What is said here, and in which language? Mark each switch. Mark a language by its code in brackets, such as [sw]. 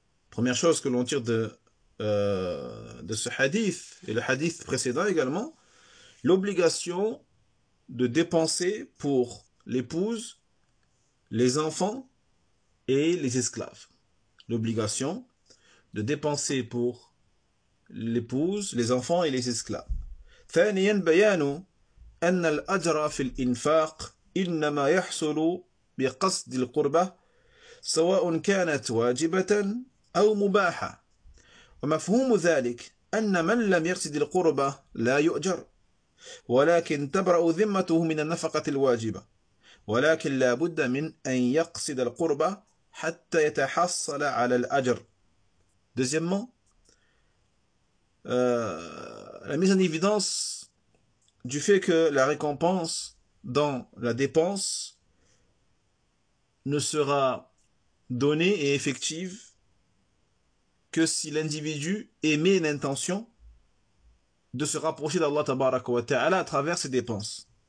[fr] Première chose que l'on tire de ce hadith et le hadith précédent également, l'obligation de dépenser pour l'épouse, les enfants et les esclaves. L'obligation de dépenser pour l'épouse, les enfants et les esclaves. [ar] ثانيا بيان أن الأجر في الإنفاق إنما يحصل بقصد القربة سواء كانت واجبة أو مباحة ومفهوم ذلك أن من لم يقصد القربة لا يؤجر ولكن تبرأ ذمته من النفقة الواجبة ولكن لا بد من أن يقصد القربة حتى يتحصل على الأجر. [fr] Deuxièmement, la mise en évidence du fait que la récompense dans la dépense ne sera donnée et effective que si l'individu émet l'intention de se rapprocher d'Allah tabaraka wa ta'ala à travers ses dépenses.